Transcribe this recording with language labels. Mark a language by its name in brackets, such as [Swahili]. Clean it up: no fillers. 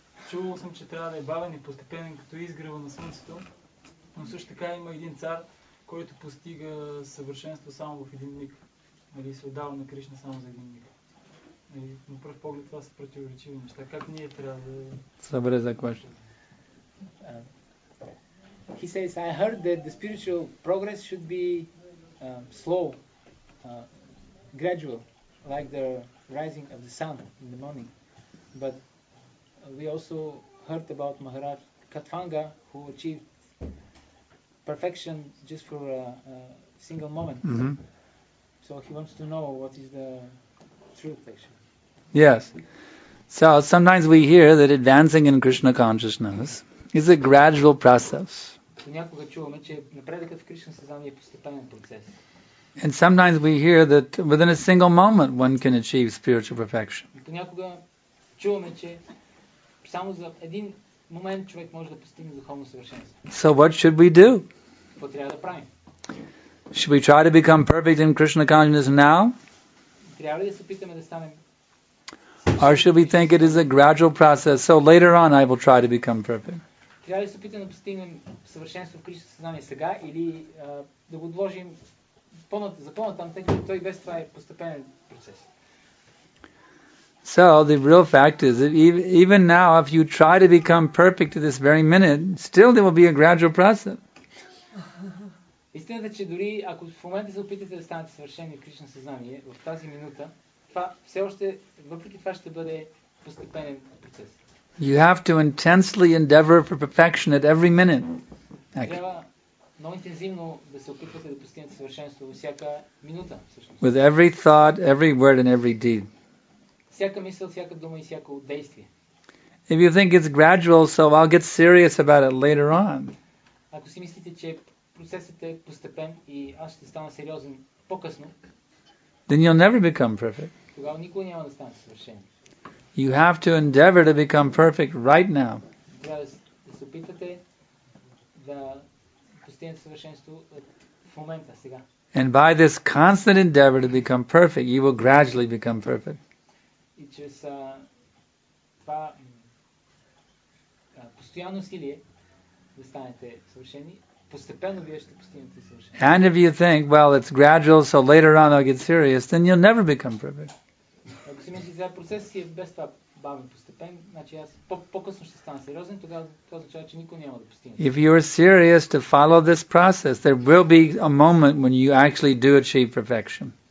[Bulgarian] Чувал съм, че трябва да е бавен и постепенен, като изгрева на слънцето, но също така има един цар, който постига съвършенство само в един миг. Нали, се отдава на Кришна само за един миг. Нали, на пръв поглед това са противоречиви неща. Как ние трябва да... Събре за кваща. [English] He says, I heard that the spiritual progress should be slow, gradual, like the rising of the sun in the morning. But we also heard about Maharaj Katvanga, who achieved perfection just for a single moment. Mm-hmm. So he wants to know what is the true picture. Yes. So sometimes we hear that advancing in Krishna consciousness is a gradual process. [Bulgarian] Понякога чуваме, че напредъкът в Кришна съзнание е постепенен процес. [English] And sometimes we hear that within a single moment one can achieve spiritual perfection. [Bulgarian] Понякога чуваме, че само за един момент човек може да постигне духовно съвършенство. [English] So what should we do? [Bulgarian] Какво трябва да правим? [English] Should we try to become perfect in Krishna consciousness now? [Bulgarian] Трябва ли да се опитаме да станем? [English] Or should we think it is a gradual process, so later on I will try to become perfect? [Bulgarian] Трябва ли да се опитаме да постигнем съвършенство в Кришна съзнание сега или да го отложим за по-натам, тъй като той без това е постепенен процес? [English] So the real fact is that even now if you try to become perfect at this very minute, still there will be a gradual process. [Bulgarian] Истината е, че дори ако в момента се опитате да станете съвършени в Кришна съзнание, в тази минута, това все още, въпреки това ще бъде постепенен процес. [English] You have to intensely endeavor for perfection at every minute. [Bulgarian] Много интензивно да се опитвате да постигнете съвършенство всяка минута. [English] With every thought, every word and every deed. [Bulgarian] Всяка мисъл, всяка дума и всяко действие. [English] If you think it's gradual, so I'll get serious about it later on. [Bulgarian] Ако си мислите, че процесът е постепен и аз ще стана сериозен по-късно, [English] then you'll never become perfect. [Bulgarian] Тогава никога няма да стане съвършен. [English] You have to endeavor to become perfect right now. [Bulgarian] Да се опитате да постигнете съвършенство в момента, сега. [English] And by this constant endeavor to become perfect, you will gradually become perfect. [Bulgarian] И чрез това постоянно усилие да станете съвършени, постепенно вие ще постигнете съвършенство. [English] And if you think, well, it's gradual, so later on I'll get serious, then you'll never become perfect. [Bulgarian] Ако си мисли, че процесът си е без това бавен, постепен, значи аз по-късно ще стана сериозен, тогава това означава, че никой няма да постигне. [English] If you are serious to follow this process, there will be a moment when you actually do achieve perfection.